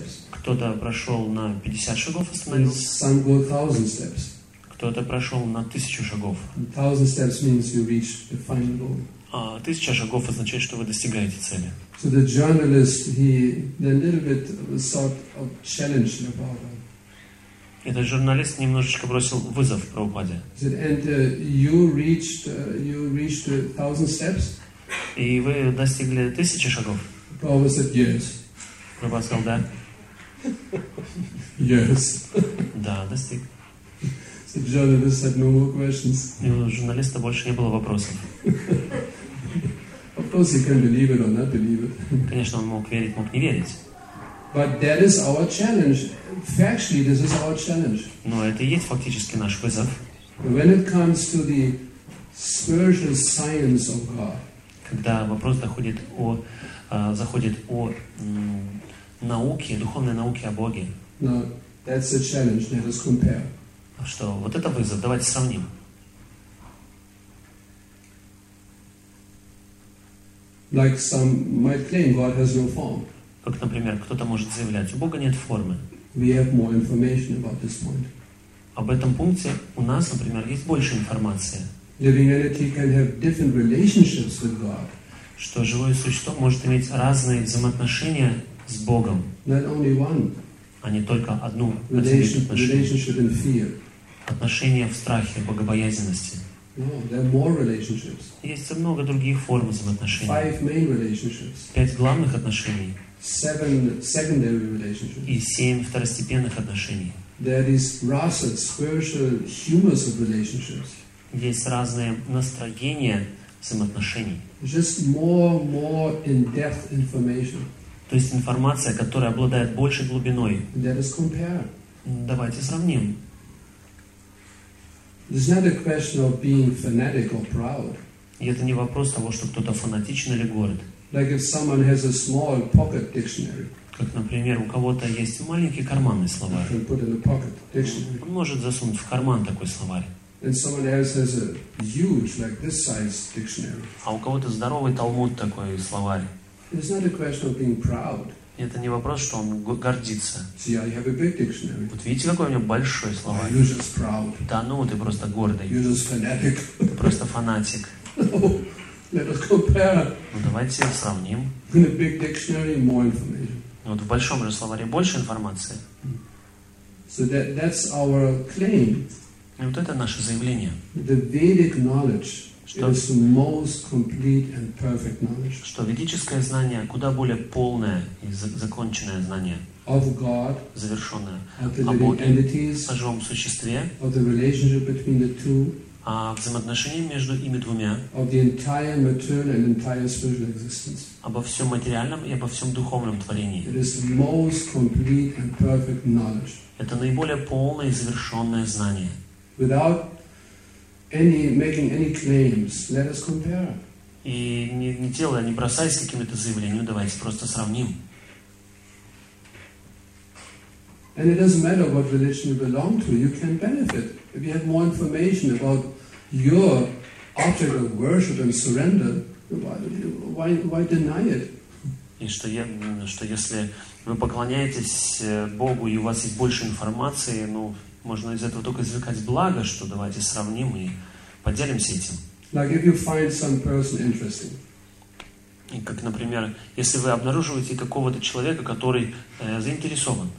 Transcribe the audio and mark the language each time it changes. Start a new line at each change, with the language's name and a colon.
Russian: Кто-то прошел на 50 шагов, остановился. Кто-то прошел на 1000 шагов. А 1000 шагов означает, что вы достигаете цели.
English: So the journalist, he a little bit sort of challenged about that.
Russian: Этот журналист немножечко бросил вызов Прабхупаде. И вы достигли 1000 шагов? Прабхупада сказал,
English: yes.
Russian: Прабхупада сказал, да.
English: Yes.
Russian: Да, достиг.
English: So the journalist had no more questions.
Russian: И у журналиста больше не было вопросов.
English: Of course he can believe it or not believe it.
Russian: Конечно, он мог верить, мог не верить.
English: But that is our challenge. Factually, this is our challenge.
Russian: Но это и есть фактически наш вызов.
English: When it comes to the spiritual science of God.
Russian: Когда вопрос доходит о заходит о науке, духовной науке о Боге.
English: No, that's a challenge. Let us compare.
Russian: Что? Вот это вызов. Давайте сравним.
English: Like some might claim, God has no form.
Russian: Как, например, кто-то может заявлять, у Бога нет формы.
English: We have more information about this point.
Russian: Об этом пункте у нас, например, есть больше информации.
English: The reality can have different relationships with God.
Russian: Что живое существо может иметь разные взаимоотношения с Богом.
English: Not only one.
Russian: А не только одну.
English: Relationship in fear.
Russian: Отношения в страхе, богобоязненности.
English: No, there are more relationships.
Russian: Есть много других форм взаимоотношений.
English: Five main relationships.
Russian: Пять главных отношений.
English: Seven secondary relationships.
Russian: И семь второстепенных отношений.
English: There is rasa, spiritual humors of relationships.
Russian: Есть разные настроения взаимоотношений.
English: Just more in-depth information.
Russian: То есть информация, которая обладает большей глубиной.
English: Let us compare.
Russian: Давайте сравним.
English: It's not a question of being fanatic or proud.
Russian: И это не вопрос того, что кто-то фанатичен или горд.
English: Like if someone has a small pocket dictionary.
Russian: Как, например, у кого-то есть маленький карманный словарь.
English: He can put in a pocket dictionary.
Russian: Он может засунуть в карман такой словарь.
English: And someone else has a huge, like this size dictionary.
Russian: А у кого-то здоровый талмуд такой словарь.
English: It's not a question of being proud.
Russian: Это не вопрос, что он гордится.
English: See, I have a big dictionary.
Russian: Вот видите, какой у него большой словарь.
English: You're just proud.
Russian: Да ну, ты просто гордый.
English: You're just fanatic.
Russian: Ты просто фанатик.
English: Let us compare.
Russian: Ну, давайте сравним.
English: In a big dictionary, more information.
Russian: Вот в большом же словаре больше информации.
English: So that's our claim.
Russian: И вот это наше заявление.
English: The Vedic knowledge. Что, it is the most complete and perfect knowledge.
Russian: Что ведическое знание куда более полное и законченное знание
English: of God,
Russian: завершенное
English: of the living entities,
Russian: о живом существе,
English: of the relationship between the two,
Russian: о взаимоотношении между ими двумя,
English: of the entire material and entire spiritual existence.
Russian: Обо всем материальном и обо всем духовном творении.
English: It is the most complete and perfect knowledge.
Russian: Это наиболее полное и завершенное знание.
English: Without any making any claims, let us compare.
Russian: И не делая, не бросаясь какими-то заявлениями, давайте просто сравним.
English: And it doesn't matter what religion you belong to, you can benefit. If you have more information about your object of worship and surrender, why deny it?
Russian: И что если вы поклоняетесь Богу и у вас есть больше информации, ну, можно из этого только извлекать благо, что давайте сравним и поделимся этим.
English: Like if you find some person interesting.
Russian: И как, например, если вы обнаруживаете какого-то человека, который заинтересован.